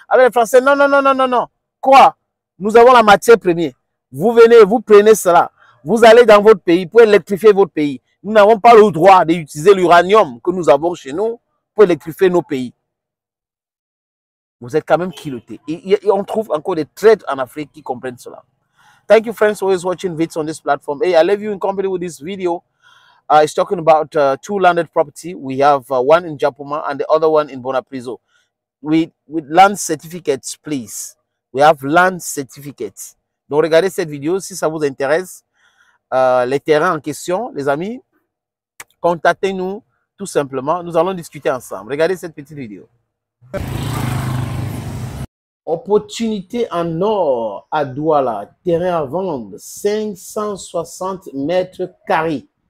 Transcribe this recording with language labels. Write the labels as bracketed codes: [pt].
[fr] Avec les Français, non, non, non, non, non, non. Quoi? Nous avons la matière première. Vous venez, vous prenez cela. Vous allez dans votre pays pour électrifier votre pays. Nous n'avons pas le droit d'utiliser l'uranium que nous avons chez nous pour électrifier nos pays. Vous êtes quand même culottés. Et on trouve encore des traîtres en Afrique qui comprennent cela. [en] Thank you, friends, always watching vids on this platform. Hey, I leave you in company with this video. It's talking about two landed property. We have one in Japuma and the other one in Bonapriso. With land certificates, please. We have land certificates. [fr] Donc, regardez cette vidéo si ça vous intéresse. Les terrains en question, les amis, contactez-nous tout simplement. Nous allons discuter ensemble. Regardez cette petite vidéo. Opportunité en or à Douala. Terrain à vendre, 560 mètres carrés.